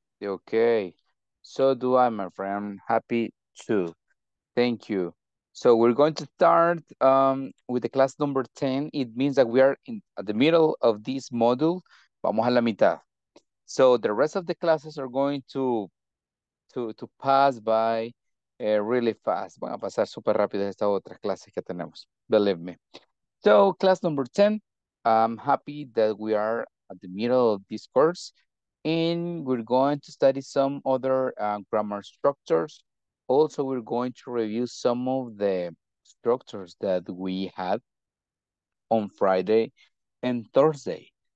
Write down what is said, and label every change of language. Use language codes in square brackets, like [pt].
[en] Okay, so do I, my friend. Happy too. Thank you. So we're going to start with the class number 10. It means that we are in at the middle of this module. Vamos a la mitad. So the rest of the classes are going to pass by really fast. [es] Van a pasar super rápido estas otras clases que tenemos. [en] Believe me. So class number 10. I'm happy that we are at the middle of this course. And we're going to study some other grammar structures. Also, we're going to review some of the structures that we had on Friday and Thursday.